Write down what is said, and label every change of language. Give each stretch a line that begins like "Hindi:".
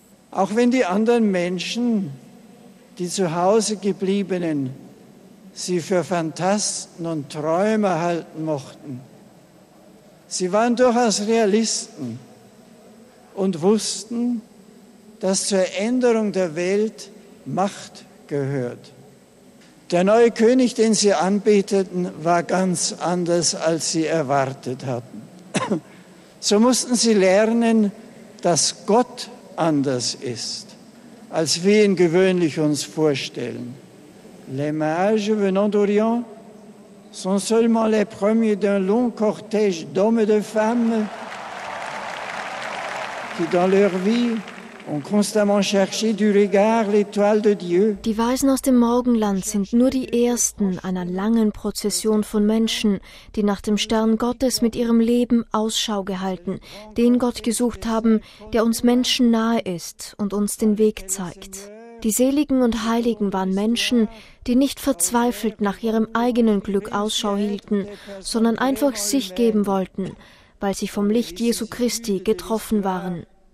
German: Auch wenn die anderen Menschen, die zu Hause gebliebenen, sie für Phantasten und Träumer halten mochten, sie waren durchaus Realisten und wussten, dass zur Änderung der Welt Macht gehört. Der neue König, den sie anbeteten, war ganz anders, als sie erwartet hatten. So mussten sie lernen, dass Gott anders ist, als wir ihn gewöhnlich uns vorstellen.
French: Les mages venant d'Orient sont seulement les premiers d'un long cortège d'hommes et de femmes qui dans leur vie ont constamment cherché du regard l'étoile de Dieu.
German: Die Weisen aus dem Morgenland sind nur die ersten einer langen Prozession von Menschen, die nach dem Stern Gottes mit ihrem Leben Ausschau gehalten, den Gott gesucht haben, der uns Menschen nahe ist und uns den Weg zeigt. Die Seligen und Heiligen waren Menschen, die nicht verzweifelt nach ihrem eigenen Glück Ausschau hielten, sondern einfach sich geben wollten, weil sie vom Licht Jesu Christi getroffen waren.